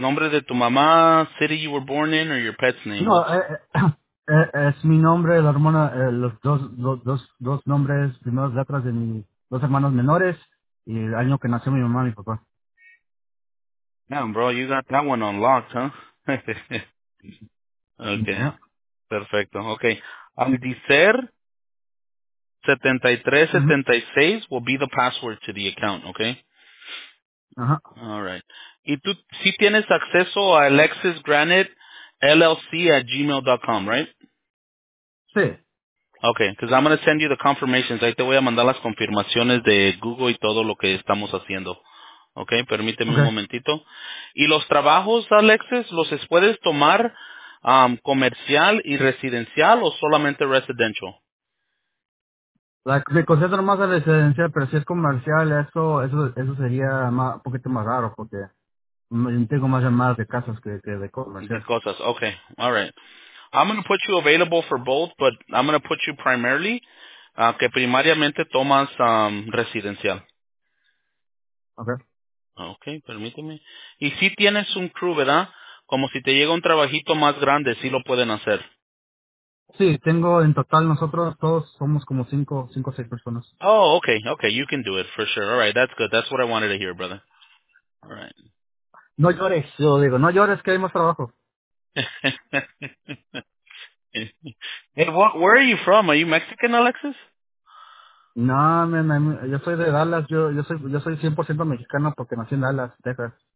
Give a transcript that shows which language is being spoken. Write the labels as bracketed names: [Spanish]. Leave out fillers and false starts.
[Spanish] ¿Nombre de tu mamá, [English] city you were born in, or your pet's name? [Spanish] No, es mi nombre, la hermana, los dos nombres, primeras letras de mis dos hermanos menores, y el año que nació mi mamá y mi papá. [English] Damn, bro, you got that one unlocked, huh? Okay, yeah. [Spanish] Perfecto, okay. Aldicer 7376 mm-hmm. [English] will be the password to the account, okay? Uh-huh. All right. [Spanish] ¿Y tú sí tienes acceso a alexisgranitellc@gmail.com, right? Sí. Okay, because I'm going to send you the confirmations. Ahí te voy a mandar las confirmaciones de Google y todo lo que estamos haciendo. Ok, permíteme okay. un momentito. ¿Y los trabajos, Alexis, los puedes tomar comercial y residencial o solamente residential? Me concentro más en residencial, pero si es comercial, eso sería más, un poquito más raro porque tengo más llamadas de casas que de comercial. De cosas, [English] ok, all right. I'm going to put you available for both, but I'm going to put you primarily, [Spanish] que primariamente tomas residencial. [English] Okay. [Spanish] Okay, permíteme. Y si tienes un crew, ¿verdad? Como si te llega un trabajito más grande, ¿sí lo pueden hacer? Sí, tengo en total, nosotros todos somos como cinco o seis personas. [English] Oh, okay, okay, you can do it for sure. All right, that's good. That's what I wanted to hear, brother. All right. [Spanish] No llores, yo digo, no llores que hay más trabajo. [English] Hey, where are you from? Are you Mexican, Alexis? No, man, [Spanish] yo soy de Dallas. Yo soy 100% mexicano porque nací en Dallas, Texas.